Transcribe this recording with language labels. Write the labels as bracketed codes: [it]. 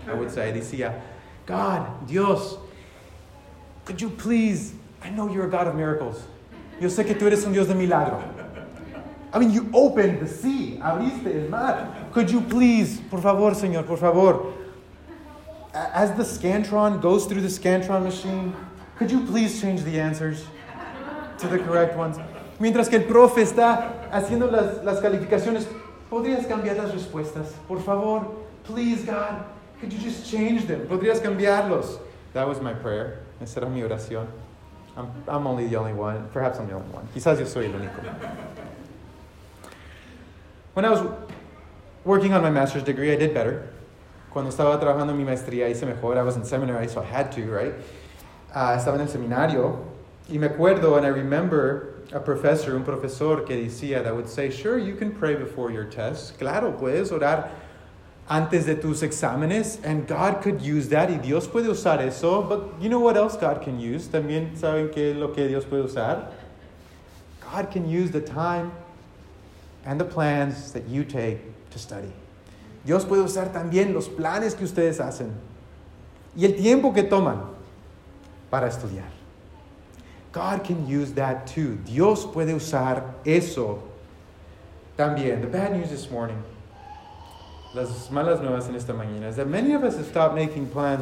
[en] I would say, decía, God, Dios, could you please, I know you're a God of miracles. [es] Yo sé que tú eres un Dios de milagro. [en] I mean, you opened the sea. [es] Abriste el mar. [en] Could you please, [es] por favor, Señor, por favor. [en] As the Scantron goes through the Scantron machine, could you please change the answers to the correct ones? [es] Mientras que el profe está haciendo las calificaciones, ¿podrías cambiar las respuestas? Por favor, [en] please, God, could you just change them? [es] ¿Podrías cambiarlos? [en] That was my prayer. [es] Esa era mi oración. [en] I'm only the only one. Perhaps I'm the only one. [es] Quizás yo soy el único. [en] When I was working on my master's degree, I did better. [es] Cuando estaba trabajando en mi maestría, hice mejor. [en] I was in seminary, so I had to, right? [es] Estaba en el seminario. Y me acuerdo, [en] and I remember [es] un profesor que decía, [en] that would say, sure, you can pray before your tests. [es] Claro, puedes orar antes de tus exámenes. [en] And God could use that. [es] Y Dios puede usar eso. [en] But you know what else God can use? [es] También saben que lo que Dios puede usar. [en] God can use the time and the plans that you take to study. [es] Dios puede usar también los planes que ustedes hacen y el tiempo que toman para estudiar. [en] God can use that too. [es] Dios puede usar eso también. [en] The bad news this morning, [es] las malas nuevas en esta mañana, [en] is that many of us have stopped making plans.